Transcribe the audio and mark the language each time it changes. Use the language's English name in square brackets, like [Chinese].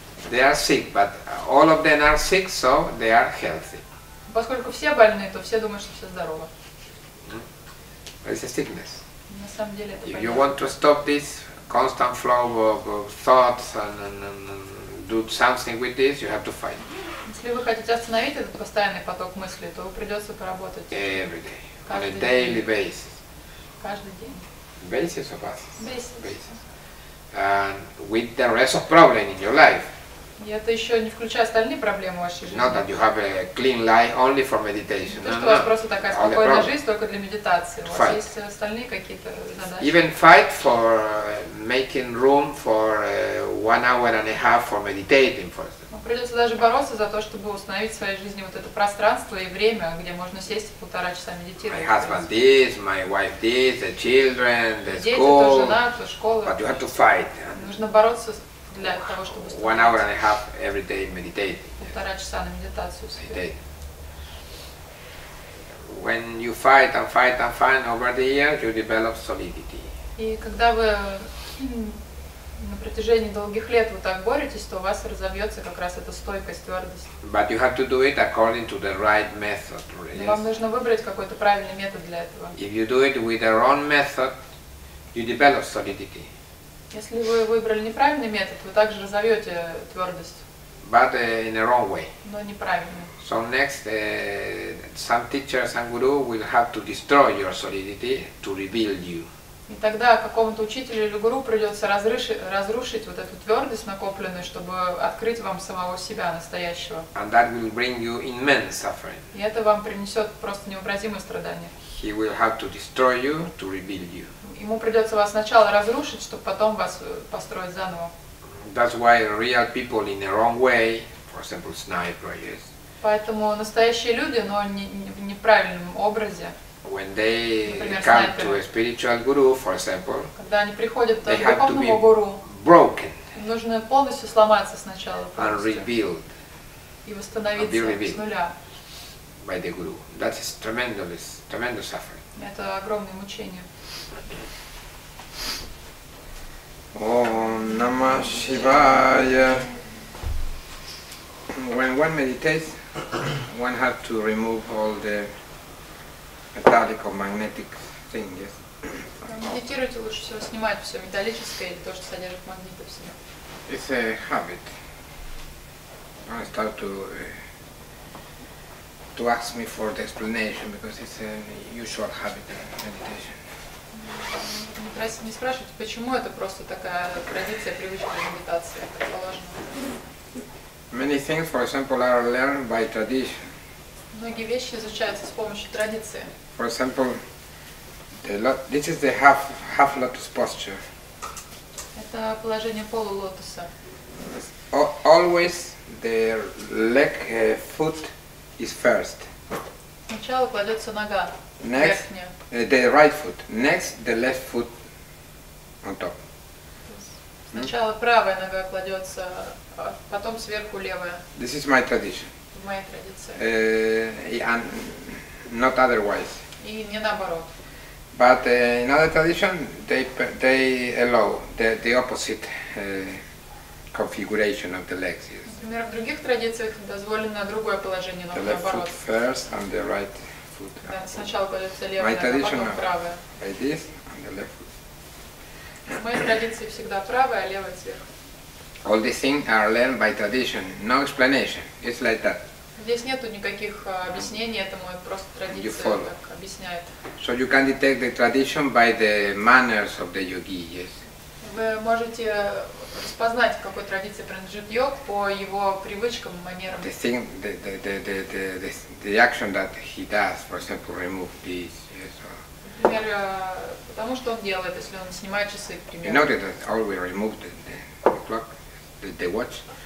[English] They are sick, but all of them are sick, so they are healthy. [Russian] Поскольку все больны, то все думают, что все здоровы. [English] But it's a sickness. [Russian] На самом деле это. [English] If you want to stop this constant flow of thoughts and do something with this, you have to fight. [Russian] Если вы хотите остановить этот постоянный поток мыслей, то придется поработать. [English] Every day. On a daily basis. [Russian] Каждый день. [English] Basis of us. Basis. And with the rest of problem in your life. [Russian] И это еще не включая остальные проблемы в вашей жизни. [English] Not that you have a clean life only for meditation. [Russian] То, что у вас просто такая спокойная жизнь только для медитации. У вас есть остальные какие-то задачи. [English] Even fight for making room for 1.5 hours for meditating, for example. [Russian] Придется даже бороться за то, чтобы установить в своей жизни вот это пространство и время, где можно сесть и полтора часа медитировать. [English] My husband this, my wife this, the children, the [Russian] дети, [English] school. [Russian] Дети, жена, то школа. [English] But you have to fight. [Russian] Нужно бороться для того, чтобы установить. [English] 1.5 hours every day meditating. [Russian] Полтора часа на медитацию. [English] When you fight and fight and fight over the years, you develop solidity. [Russian] И когда вы на протяжении долгих лет вы так боретесь, то у вас разовьется как раз эта стойкость, твердость. [English] But you have to do it according to the right method. Yes? [Russian] Вам нужно выбрать какой-то правильный метод для этого. [English] If you do it with the wrong method, you develop solidity. [Russian] Если вы выбрали неправильный метод, вы также разовьете твердость. [English] But in the wrong way. [Russian] Но неправильно. [English] So next, some teachers and guru will have to destroy your solidity to rebuild you. [Russian] И тогда какому-то учителю или гуру придется разрушить вот эту твердость накопленную, чтобы открыть вам самого себя настоящего. [English] And that will bring you immense suffering. [Russian] И это вам принесет просто невообразимые страдания. [English] He will have to destroy you to rebuild you. [Russian] Ему придется вас сначала разрушить, чтобы потом вас построить заново. [English] That's why real people in the wrong way, for example, sniper, yes. [Russian] Поэтому настоящие люди, но не в неправильном образе. [English] When they [Russian] например, [English] come [Russian] снайперы. [English] To a spiritual guru, for example, [Russian] когда они приходят [English] they [Russian] к [English] have to be [Russian] гуру, [English] broken. [Russian] Нужно полностью сломаться сначала. Полностью. [English] And rebuild. [Russian] И восстановиться с нуля. [English] By the guru. That is tremendous, tremendous suffering. [Russian] Это огромное мучение. [Sanskrit] Ом намах шивая. [English] When one meditates, one has to remove all the metallic or magnetic thing, yes. [Russian] Медитируйте лучше всего снимать все металлическое или то, что содержит магниты в себе. [English] It's a habit. I start to ask me for the explanation because it's a usual habit in meditation. [Russian] Не спрашивайте, почему это просто такая традиция, привычка для медитации, это положено. [English] Many things, for example, are learned by tradition. [Russian] Многие вещи изучаются с помощью традиции. [English] For example, this is the half lotus posture. [Russian] Это положение полулотоса. [English] Always the leg foot is first. [Russian] Сначала кладется нога. [English] Next, [Russian] верхняя. [English] The right foot. Next, the left foot on top. [Russian] Сначала правая нога кладется, потом сверху левая. [English] This is my tradition. [Russian] Моя традиция. [English] And not otherwise. [Russian] И не наоборот. [English] But in other tradition, they allow the opposite configuration of the legs. Yes. [Russian] Например, в других традициях дозволено другое положение ног наоборот. [English] The left foot first and the right foot. [Russian] Да, сначала кладется левая, а потом правая. [English] Like this and the left foot. [Russian] В моей традиции всегда правая, а левая сверху. [English] All these things are learned by tradition. No explanation. It's like that. [Russian] Здесь нету никаких объяснений этому, это просто традиция так объясняет. [English] So you can detect the tradition by the manners of the yogi, yes. [Russian] Вы можете распознать, какой традиции принадлежит йог по его привычкам, манерам. [English] The thing, the action that he does, for example, remove this, yes. [Russian] Например, потому что он делает, если он снимает часы, к примеру. [English] You know that I always remove the clock, the watch.